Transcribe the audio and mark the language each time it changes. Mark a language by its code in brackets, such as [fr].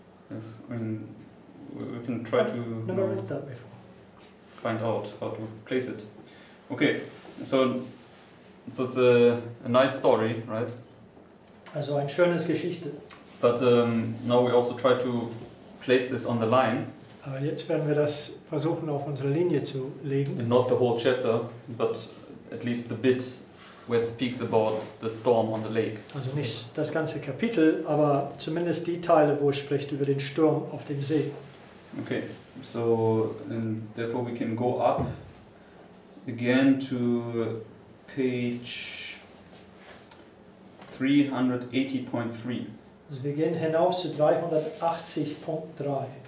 [en] Yes. I mean, we can try to... Never read that before. Find out how to place it. Okay, so it's a nice story, right? [de] Also ein schönes Geschichte. [en] But now we also try to place this on the line. [de] Aber jetzt werden wir das versuchen auf unsere Linie zu legen. [en] And not the whole chapter, but at least the bit where it speaks about the storm on the lake. [de] Also nicht das ganze Kapitel, aber zumindest die Teile, wo es spricht über den Sturm auf dem See. [en] Okay. So, and therefore we can go up again to page 380.3. [de] Also, wir gehen hinauf zu 380.3.